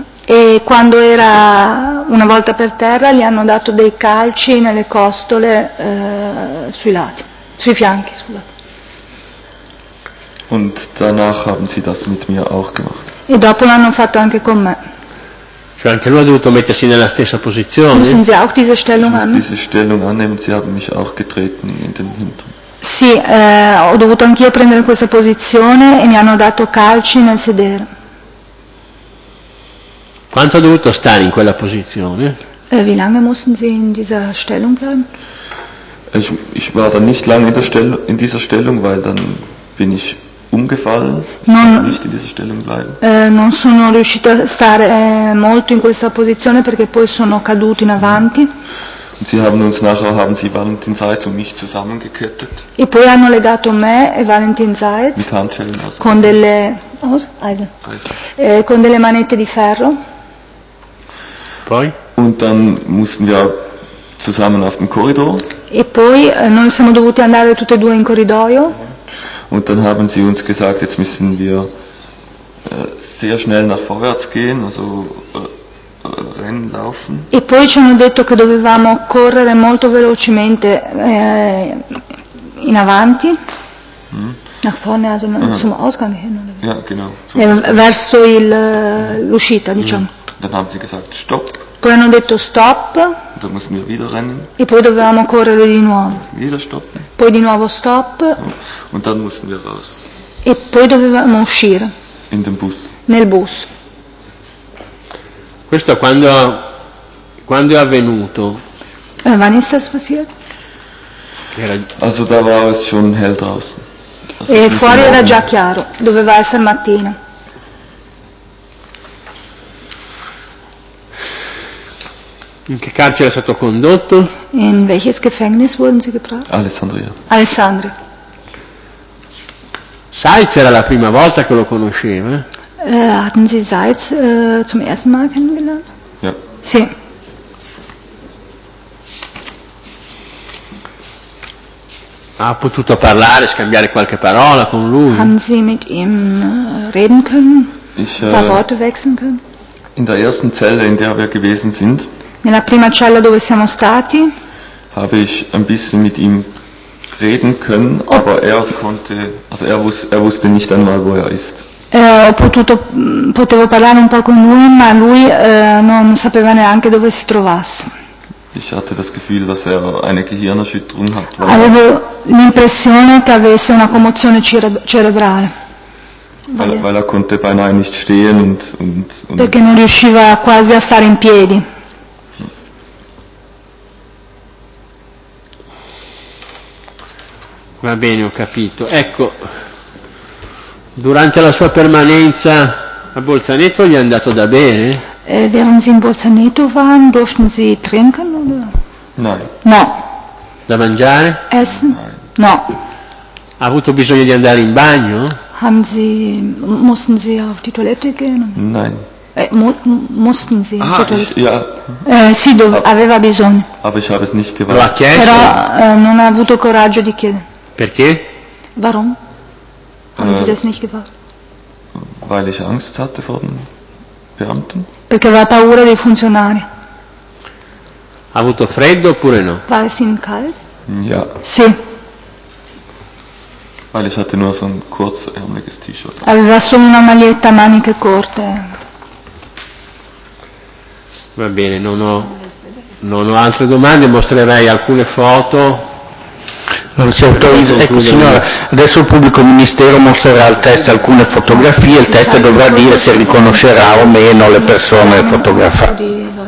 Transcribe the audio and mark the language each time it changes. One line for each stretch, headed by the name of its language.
Italian: E quando era una volta per terra, gli hanno dato dei calci nelle costole sui lati, sui fianchi, scusate.
German: Und danach haben sie das mit mir auch gemacht.
Italian: E dopo l'hanno fatto anche con me. Cioè anche lui ha dovuto mettersi nella stessa posizione.
German: Müssen Sie auch diese Stellung annehmen? Diese Stellung annehmen, sie haben mich auch getreten in den Hintern.
Italian: Sì, ho dovuto anch'io prendere questa posizione e mi hanno dato calci nel sedere. Quanto ha dovuto stare in quella posizione?
German: Wie lange mussten Sie in dieser Stellung bleiben? Ich war dann nicht lange in dieser Stellung, weil dann bin ich umgefallen.
Italian: Non sono riuscito a stare molto in questa posizione perché poi sono caduto in avanti.
German: Sie haben uns nachher haben Sie Valentin Seitz und mich zusammengekettet.
Italian: E poi hanno legato me e Valentin Seitz
German: mit Handschellen aus
Italian: con Eisen. Delle Eisen. Con delle manette di ferro. Poi?
German: Und dann mussten wir zusammen auf dem Korridor.
Italian: E poi noi siamo dovuti andare tutte e due in corridoio.
German: Und dann haben sie uns gesagt, jetzt müssen wir sehr schnell nach vorwärts gehen, also rennen, laufen.
Italian: E poi ci hanno detto che dovevamo correre molto velocemente in avanti,
German: nach vorne, also zum Ausgang hin, oder? Ja, genau.
Italian: Verso l'uscita, diciamo.
German: Dann haben sie gesagt, stopp.
Italian: Poi hanno detto stop.
German: Und dann mussten wir wieder rennen.
Italian: E poi dovevamo correre di nuovo.
German: Wieder stoppen.
Italian: Poi di nuovo stop.
German: Und dann mussten wir raus.
Italian: E poi dovevamo uscire.
German: In den Bus.
Italian: Nel bus. Questo quando è avvenuto?
German: Wann ist das passiert? Also da war es schon hell draußen.
Italian: E fuori era già chiaro, doveva essere mattina. In che carcere è stato condotto?
German: In welches Gefängnis wurden Sie gebracht?
Italian: Alessandria. Alessandria. Seitz era la prima volta che lo conosceva.
German: Hatten Sie Seitz zum ersten Mal kennengelernt? Ja.
Italian: Sì. Ha potuto parlare, scambiare qualche parola con lui?
German: Haben Sie mit ihm reden können? Ein paar Worte wechseln können? In der ersten Zelle, in der wir gewesen sind,
Italian: nella prima cella dove siamo stati,
German: habe ich ein bisschen mit ihm reden können, aber er konnte, also er wusste nicht einmal, wo er ist.
Italian: Potevo parlare un po' con lui, ma lui non sapeva neanche dove si trovasse.
German: Ich hatte das Gefühl, dass er eine Gehirnerschütterung hat.
Italian: Avevo l'impressione che avesse una commozione cerebrale.
German: Weil er konnte beinahe nicht stehen und
Italian: perché non riusciva quasi a stare in piedi. Va bene, ho capito. Ecco, durante la sua permanenza a Bolzaneto gli è andato da bene?
German: Während Sie in Bolzaneto waren, durften Sie trinken? Oder? Nein.
Italian: No. Da mangiare?
German: Essen? Nein.
Italian: No. Ha avuto bisogno di andare in bagno?
German: Haben Sie, mussten Sie auf die Toilette gehen? Nein. Mussten Sie? Ah, ja.
Italian: Sì, aveva bisogno.
German: Aber ich habe es nicht gewagt.
Italian: Però non ha avuto coraggio di chiedere. Perché?
German: Warum? Haben Sie das nicht gewagt? Weil ich Angst hatte vor den Beamten.
Italian: Perché aveva paura dei funzionari. Ha avuto freddo oppure no?
German: War es ihm kalt? Ja.
Italian: Sì.
German: Weil ich hatte nur so ein kurzärmeliges T-Shirt.
Italian: Aveva solo una maglietta a maniche corte. Va bene, non ho altre domande, mostrerei alcune foto. Non si autorizza. Ecco signora, adesso il pubblico ministero mostrerà al test alcune fotografie, il test dovrà dire se riconoscerà o meno le persone fotografate.